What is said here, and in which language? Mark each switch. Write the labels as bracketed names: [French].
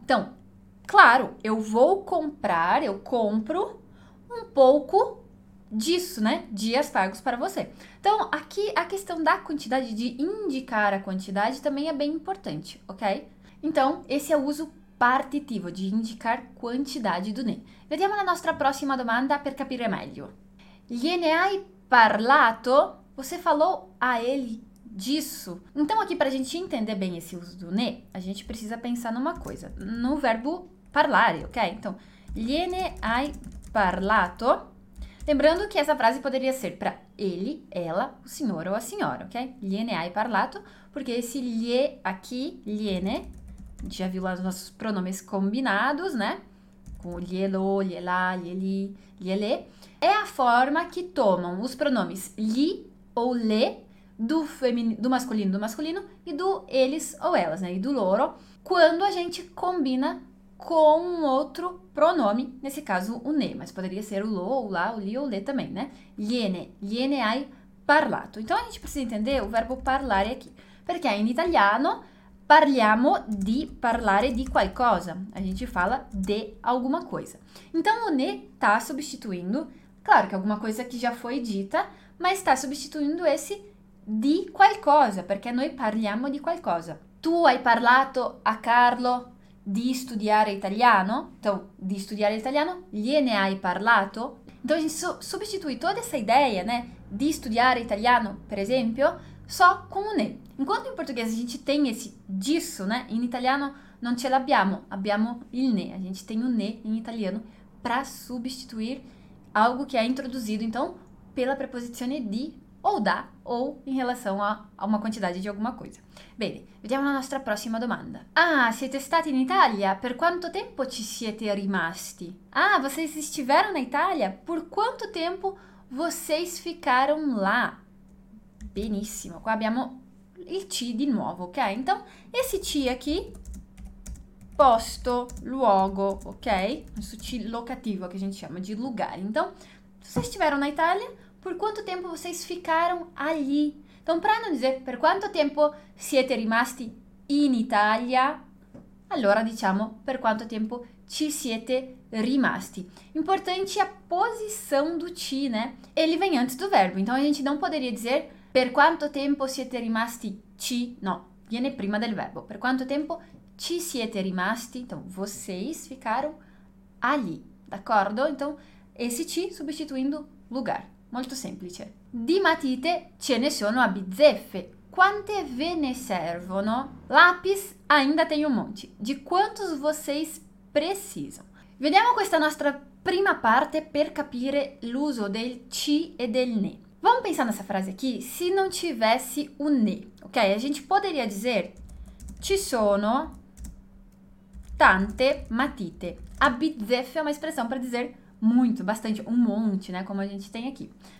[Portuguese] Então, claro, eu vou comprar, eu compro um pouco disso, né? De aspargos para você. Então, aqui a questão da quantidade, de indicar a quantidade, também é bem importante, ok? Então, esse é o uso partitivo, de indicar quantidade do ne. [Italian] Vediamo la nostra prossima domanda per capire meglio. Gliene hai parlato? [Portuguese] Você falou a ele disso? Então, aqui, para a gente entender bem esse uso do ne, a gente precisa pensar numa coisa, no verbo parlare, ok? Então, [Italian] Gliene hai parlato? [Portuguese] Lembrando que essa frase poderia ser para ele, ela, o senhor ou a senhora, ok? [Italian] Gliene hai parlato, [Portuguese] porque esse lhe aqui, gliene, já viu lá os nossos pronomes combinados, né? Com glielo, gliela, glieli, gliele, é a forma que tomam os pronomes gli ou le do masculino e do eles ou elas, né? E do loro, quando a gente combina com um outro pronome, nesse caso o ne, mas poderia ser o lo, o la, o li ou le também, né? [Italian] Gliene, gliene hai parlato. [Portuguese] Então a gente precisa entender o verbo parlare aqui, [Italian] perché in italiano parliamo di parlare di qualcosa, [Portuguese] a gente fala de alguma coisa. Então o ne está substituindo, claro que alguma coisa que já foi dita, mas está substituindo esse di qualcosa, [Italian] perché noi parliamo di qualcosa. Tu hai parlato a Carlo di studiare italiano? [Portuguese] Então, [Italian] di studiare italiano, gliene hai parlato? [Portuguese] Então a gente substitui toda essa ideia, né, [Italian] di studiare italiano, per esempio, [Portuguese] só com o ne. Enquanto in português a gente tem esse disso, né, [Italian] in italiano non ce l'abbiamo, abbiamo il ne, [Portuguese] a gente tem o ne in italiano para substituir algo que é introduzido, então, pela preposizione di ou da, ou em relação a uma quantidade de alguma coisa. [Italian] Bene, vediamo la nostra prossima domanda. Ah, siete stati in Italia? Per quanto tempo ci siete rimasti? [Portuguese] Ah, vocês estiveram na Itália? Por quanto tempo vocês ficaram lá? [Italian] Benissimo, qua abbiamo il ci di nuovo, ok? [Portuguese] Então, esse ci aqui, [Italian] posto, luogo, [Portuguese] ok? [Italian] Questo ci locativo che [Portuguese] a gente [Italian] chiama di lugar. [Portuguese] Então, vocês estiveram na Itália? Por quanto tempo vocês ficaram ali? Então, para não dizer [Italian] per quanto tempo siete rimasti in Italia, allora diciamo per quanto tempo ci siete rimasti. [Portuguese] Importante a posição do ci, né? Ele vem antes do verbo, então a gente não poderia dizer [Italian] per quanto tempo siete rimasti ci, no, viene prima del verbo. Per quanto tempo ci siete rimasti, [Portuguese] então vocês ficaram ali, [Italian] d'accordo? [Portuguese] Então, esse ci substituindo lugar. [Italian] Molto semplice. Di matite ce ne sono a bizzeffe. Quante ve ne servono? [Portuguese] Lapis ainda tem um monte. Di quantos vocês precisam? [Italian] Vediamo questa nostra prima parte per capire l'uso del ci e del ne. [Portuguese] Vamos pensar nessa frase aqui, se não tivesse o ne, ok? A gente poderia dizer [Italian] ci sono tante matite. [Portuguese] A bizzeffe é uma expressão para dizer muito, bastante, um monte, né, como a gente tem aqui.